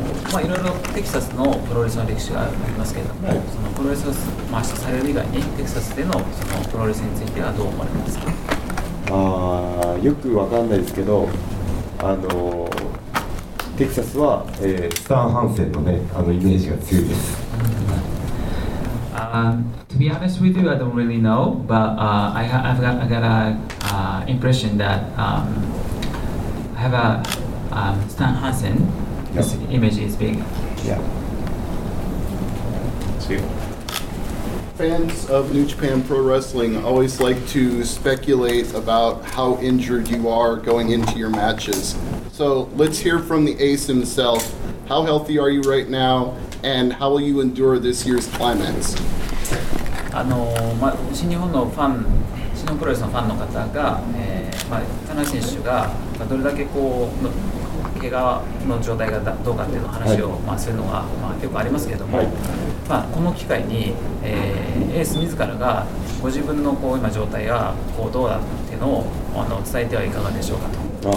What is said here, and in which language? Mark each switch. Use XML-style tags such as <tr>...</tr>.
<ja>まあ、いろいろテキサスのプロレスの歴史がありますけれども、はい、そのプロレスが発出される以外にテキサスで そのプロレスについてはどう思われますか。よくわかんないですけど、テキサスは、スタン・ハンセンの、ね、イメージが強いです。</ja> <en>To be honest with you, I don't really know, but I've got an impression that I have a Stan Hansen. Yes. This image is big. Yeah. See you. Fans of New Japan Pro Wrestling always like to speculate about how injured you are going into your matches. So let's hear from the ace himself. How healthy are you right now, and how will you endure this year's climax?</en> <ja>まあ、新日本のファン、新日本プロレスのファンの方が、まあ、田中選手がどれだけこう怪我の状態がどうかっていうの話を、はい、まあ、するのが、まあ、結構ありますけれども、はい、まあ、この機会に、エース自らがご自分のこう今状態がこうどうだっていうのを伝えてはいかがでしょうかと。</ja>